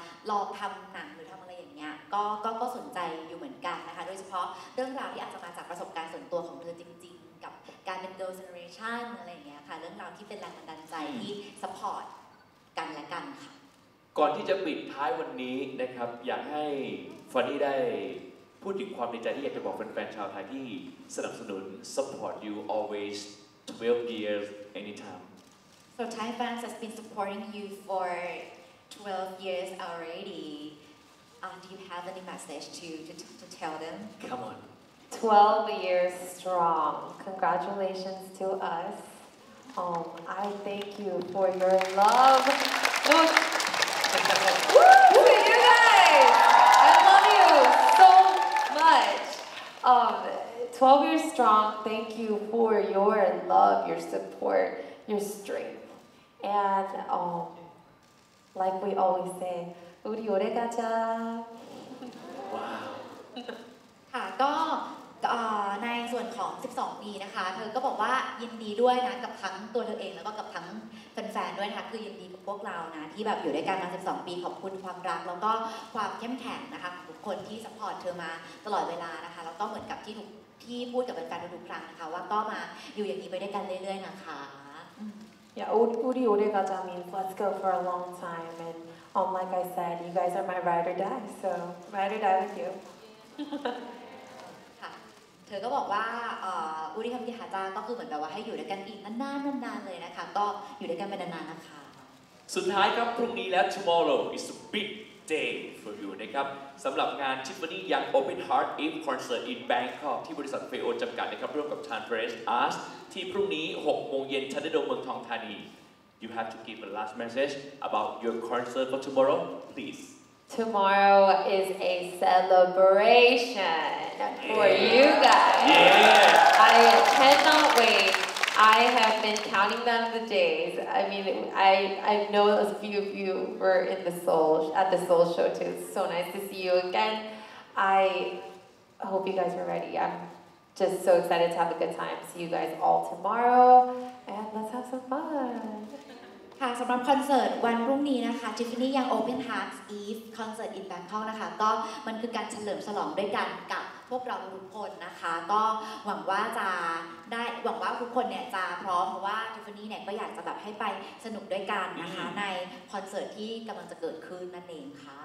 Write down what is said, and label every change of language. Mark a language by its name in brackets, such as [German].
[Thai] ลองทำหนังหรือทำอะไรอย่างเงี้ยก็สนใจอยู่เหมือนกันนะคะโดยเฉพาะเรื่องราวที่อาจจะมาจากประสบการณ์ส่วนตัวของเธอจริงๆกับการเป็น Girls' Generation อะไรอย่างเงี้ยค่ะเรื่องราวที่เป็นแรงบันดาลใจที่ support กันและกันค่ะ ก่อนที่จะปิดท้ายวันนี้นะครับอยากให้ฟันนี่ได้พูดถึงความในใจที่อยากจะบอกแฟนๆชาวไทยที่สนับสนุน [English] support you always 12 years anytime so Thai fans has been supporting you for 12 years already do you have any message to tell them come on 12 years strong congratulations to us I thank you for your love12 years strong, thank you for your love, your support, your strength. And like we always say, [Korean] Uri ore gacha. [English] Wow. [Thai] ในส่วนของ12ปีนะคะเธอก็บอกว่ายินดีด้วยนะกับทั้งตัวเธอเองแล้วก็กับทั้งแฟ ด้วยนะคะคือยินดีกับพวกเรานะที่แบบอยู่ด้วยกันมา12ปีขอบคุณความรักแล้วก็ความเข้มแข็งนะคะของทุกคนที่ซัพพอร์ตเธอมาตลอดเวลานะคะแล้วก็เหมือนกับที่ที่พูดกับแฟนๆทุกครั้งนะคะว่าก็มาอยู่อย่างนี้ไปด้วยกันเรื่อยๆนะคะ [English] Yeah, [Korean] 우리 오래가자 [English] means let's go for a long time and like I said you guys are my ride or die so ride or die with you [Thai] เธอก็บอกว่าอุริคัมพิฮาจาก็คือเหมือนแบบว่าให้อยู่ด้วยกันอีกนานๆนานๆเลยนะคะก็อยู่ด้วยกันไปนานๆนะคะ สุดท้ายครับพรุ่งนี้และ [English] tomorrow is a big day for you [Thai] นะครับสำหรับงาน Tiffany Young Open Heart Eve Concert in Bangkok ที่บริษัทเฟโอจำกัดนะครับร่วมกับ Transparent Arts ที่พรุ่งนี้6โมงเย็นชานเดโดเมืองทองธานี [English] You have to give a last message about your concert for tomorrow please Tomorrow is a celebration for you guys. Yeah. I cannot wait. I have been counting down the days. I mean, I know a few of you were in the Seoul at the Seoul show too. It's so nice to see you again. I hope you guys are ready. I'm just so excited to have a good time. See you guys all tomorrow, and let's have some fun. [Thai] ค่ะสำหรับคอนเสิร์ตวันพรุ่งนี้นะคะ Tiffany Young Open Hearts Eve Concert in Bangkok นะคะก็มันคือการเฉลิมฉลองด้วยกันกับพวกเราทุกคนนะคะก็หวังว่าจะได้หวังว่าทุกคนเนี่ยจะพร้อมเพราะว่า Tiffany เนี่ยก็อยากจะแบบให้ไปสนุกด้วยกันนะคะในคอนเสิร์ตที่กำลังจะเกิดขึ้นนั่นเองค่ะ